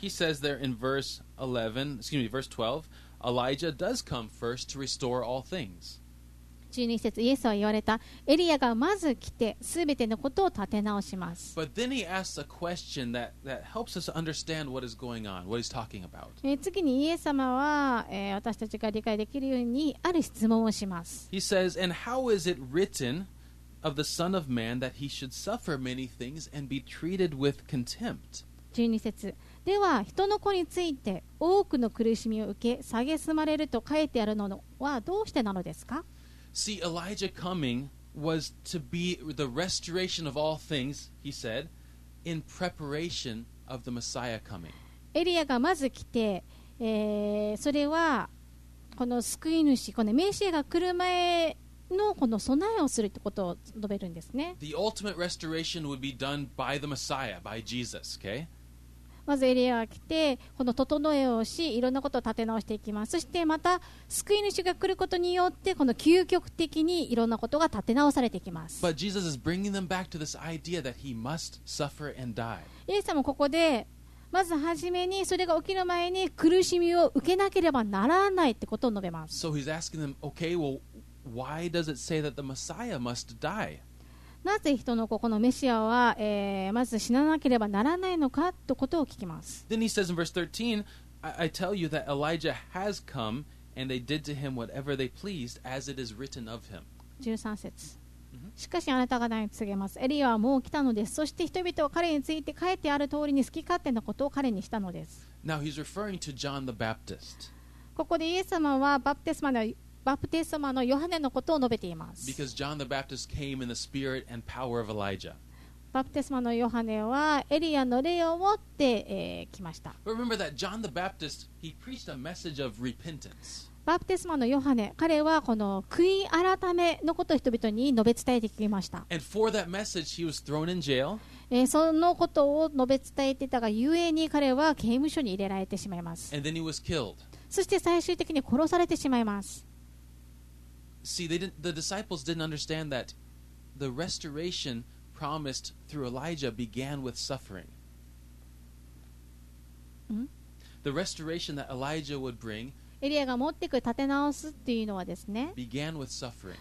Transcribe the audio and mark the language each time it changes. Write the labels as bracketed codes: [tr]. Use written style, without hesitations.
[en] He says there in verse 12, Elijah does come first to restore all things. [ja] 12節イエスは言われた、エリアがまず来て全てのことを立て直します。 [en] But then he asks a question that helps us understand what is going on, what he's talking about. [ja] 次にイエス様は、私たちが理解できるようにある質問をします。 [en] He says, and how is it written of the Son of Man that he should suffer many things and be treated with contempt? [ja] 12節では人の子について多くの苦しみを受け蔑まれると書いてあるのはどうしてなのですか。 [en] See, Elijah coming was to be the restoration of all things, he said, in preparation of the Messiah coming. [ja] エリアがまず来て、それはこの救い主、このメシアが来る前のこの備えをするということを述べるんですね。 [en] The ultimate restoration would be done by the Messiah, by Jesus, okay? [ja] まずエリアが来てこの整えをしいろんなことを立て直していきます。そしてまた救い主が来ることによってこの究極的にいろんなことが立て直されていきます。 [en] But Jesus is bringing them back to this idea that he must suffer and die. [ja] イエス様ここでまずはじめにそれが起きる前に苦しみを受けなければならないってことを述べます。 [en] So he's asking them, okay, well, why does it say that the Messiah must die? [ja] なぜ人の子このメシアは、まず死ななければならないのかということを聞きます。 [en] Then he says in verse 13, I tell you that Elijah has come and they did to him whatever they pleased as it is written of him. [ja] 13節、mm-hmm. しかしあなた方に告げます、エリアはもう来たのです、そして人々は彼について書いてある通りに好き勝手なことを彼にしたのです。 [en] Now he's referring to John the Baptist. [ja] ここでイエス様はバプテスマのヨハネのことを述べています。 [en] Because John the Baptist came in the spirit and power of Elijah. [ja] バプテスマのヨハネはエリアの霊を持って、来ました。 [en] But remember that John the Baptist, he preached a message of repentance. [ja] バプテスマのヨハネ、彼はこの悔い改めのことを人々に述べ伝えてきました。 [en] And for that message, he was thrown in jail. [ja] そのことを述べ伝えてたがゆえに彼は刑務所に入れられてしまいます。 [en] And then he was killed. [ja] そして最終的に殺されてしまいます。 [en] See, the disciples didn't understand that the restoration promised through Elijah began with suffering. The restoration that Elijah would bring began with suffering.